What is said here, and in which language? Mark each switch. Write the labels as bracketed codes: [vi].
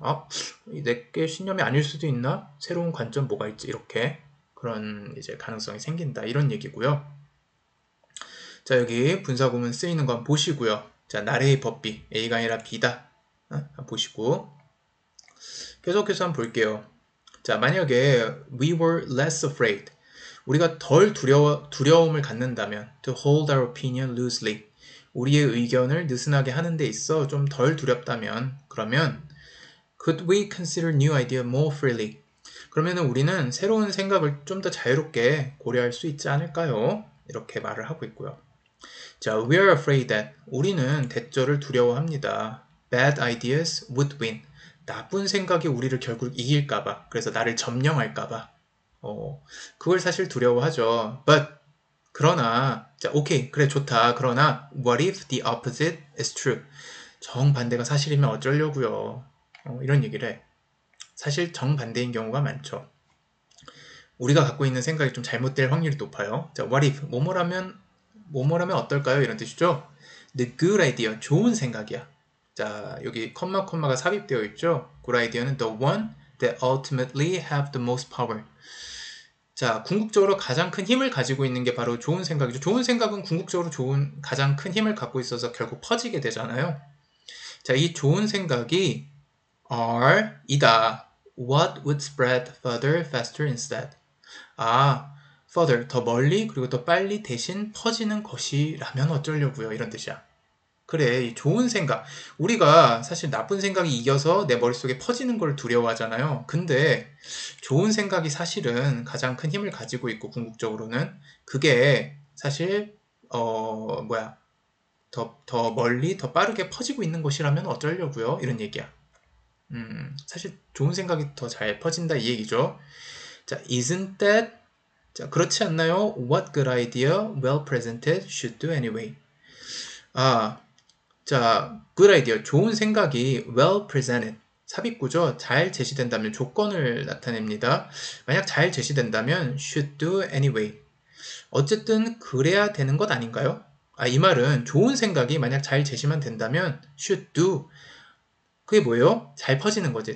[ko] 아, 내게 신념이 아닐 수도 있나? 새로운 관점 뭐가 있지? 이렇게 그런 이제 가능성이 생긴다. 이런 얘기고요. 자, 여기 분사구문 쓰이는 거 한번 보시고요. 자, 나래의 법비 A가 아니라 B다. 보시고 계속해서 한번 볼게요. [en] 자, 만약에 we were less afraid. [ko] 우리가 덜 두려움을 갖는다면, [en] to hold our opinion loosely. [ko] 우리의 의견을 느슨하게 하는 데 있어 좀덜 두렵다면, 그러면, [en] could we consider new idea more freely? [ko] 그러면 우리는 새로운 생각을 좀더 자유롭게 고려할 수 있지 않을까요? 이렇게 말을 하고 있고요. [en] 자, we are afraid that. [ko] 우리는 대저를 두려워합니다. [en] bad ideas would win. [ko] 나쁜 생각이 우리를 결국 이길까봐. 그래서 나를 점령할까봐. 그걸 사실 두려워하죠. But, 그러나, 자, 오케이, 그래, 좋다. [en] 그러나, what if the opposite is true? [ko] 정반대가 사실이면 어쩌려고요. 이런 얘기를 해. 사실 정반대인 경우가 많죠. 우리가 갖고 있는 생각이 좀 잘못될 확률이 높아요. 자, what if? 뭐뭐라면 어떨까요? 이런 뜻이죠. The good idea. 좋은 생각이야. 자, 여기, 콤마, 콤마가 삽입되어 있죠. [en] Good idea는 the one that ultimately have the most power. [ko] 자, 궁극적으로 가장 큰 힘을 가지고 있는 게 바로 좋은 생각이죠. 좋은 생각은 궁극적으로 가장 큰 힘을 갖고 있어서 결국 퍼지게 되잖아요. 자, 이 좋은 생각이 are이다. [en] What would spread further, faster instead? [ko] 아, further, 더 멀리, 그리고 더 빨리 대신 퍼지는 것이라면 어쩌려고요? 이런 뜻이야. 그래, 이 좋은 생각. 우리가 사실 나쁜 생각이 이겨서 내 머릿속에 퍼지는 걸 두려워하잖아요. 근데 좋은 생각이 사실은 가장 큰 힘을 가지고 있고, 궁극적으로는. 그게 사실, 뭐야. 더 멀리, 더 빠르게 퍼지고 있는 것이라면 어쩌려고요? 이런 얘기야. 사실 좋은 생각이 더잘 퍼진다 이 얘기죠. 자, [en] isn't that? [ko] 자, 그렇지 않나요? [en] What good idea well presented should do anyway? [ko] 아. 자, good idea. 좋은 생각이 well presented. 삽입구죠. 잘 제시된다면 조건을 나타냅니다. 만약 잘 제시된다면 should do anyway. 어쨌든 그래야 되는 것 아닌가요? 아, 이 말은 좋은 생각이 만약 잘 제시만 된다면 should do. 그게 뭐예요? 잘 퍼지는 거지.